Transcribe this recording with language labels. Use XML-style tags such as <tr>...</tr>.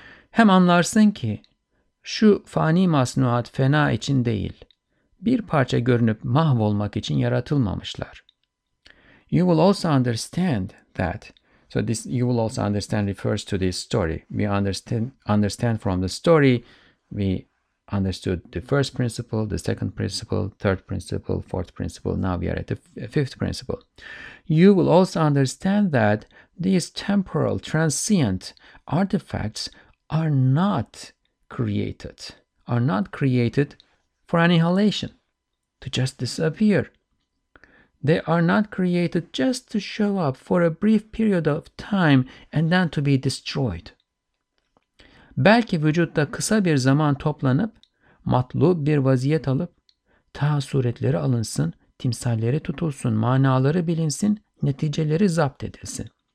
<tr>Hem anlarsın ki, şu fani masnuat fena için değil, bir parça görünüp mahvolmak için yaratılmamışlar.</tr> <en>You will also understand that. So this you will also understand refers to this story. We understand from the story, we understood the first principle, the second principle, third principle, fourth principle. Now we are at the fifth principle. You will also understand that these temporal, transient artifacts are not created for annihilation, to just disappear. They are not created just to show up for a brief period of time and then to be destroyed.</en> <tr>Belki vücutta kısa bir zaman toplanıp, matlub bir vaziyet alıp, ta suretleri alınsın, timsalleri tutulsun, manaları bilinsin, neticeleri zapt edilsin.</tr>